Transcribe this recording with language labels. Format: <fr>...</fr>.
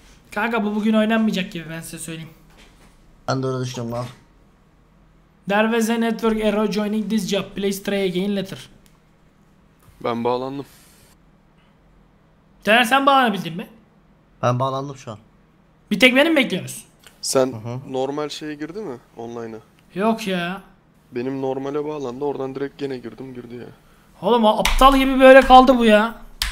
<tr>Kanka bu bugün oynanmayacak gibi ben size söyleyeyim. Ben de öyle düşünüyorum lan.</tr> <en>There was a network error joining this job. Please try again later.</en> <tr>Ben bağlandım. Caner sen bağlanabildin mi? Ben bağlandım şu an. Bir tek beni mi bekliyorsun? Sen normal şeye girdi mi? Online'a. Yok ya. Benim normale bağlandı. Oradan direkt gene girdim. Girdi ya. Oğlum aptal gibi böyle kaldı bu ya.</tr>